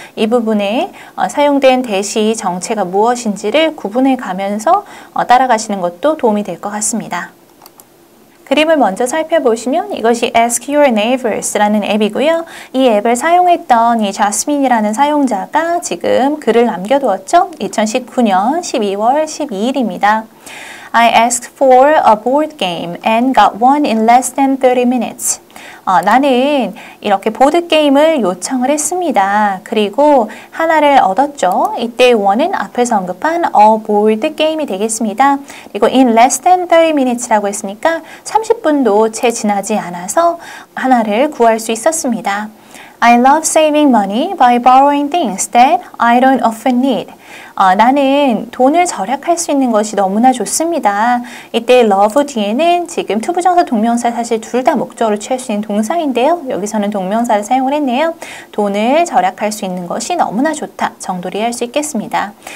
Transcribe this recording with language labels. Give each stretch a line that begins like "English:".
Korean: 이 부분에 사용된 대시 정체가 무엇인지를 구분해 가면서 따라가시는 것도 도움이 될 것 같습니다. 그림을 먼저 살펴보시면 이것이 Ask Your Neighbors라는 앱이고요. 이 앱을 사용했던 이 자스민이라는 사용자가 지금 글을 남겨두었죠. 2019년 12월 12일입니다.
English: I asked for a board game and got one in less than 30 minutes.
Korean: 나는 이렇게 보드게임을 요청을 했습니다. 그리고 하나를 얻었죠. 이때 원은 앞에서 언급한 a board game이 되겠습니다. 그리고 in less than 30 minutes라고 했으니까 30분도 채 지나지 않아서 하나를 구할 수 있었습니다.
English: I love saving money by borrowing things that I don't often need.
Korean: 나는 돈을 절약할 수 있는 것이 너무나 좋습니다. 이때 love 뒤에는 지금 to 부정사 동명사 사실 둘 다 목적어를 취할 수 있는 동사인데요. 여기서는 동명사를 사용을 했네요. 돈을 절약할 수 있는 것이 너무나 좋다 정도로 할 수 있겠습니다.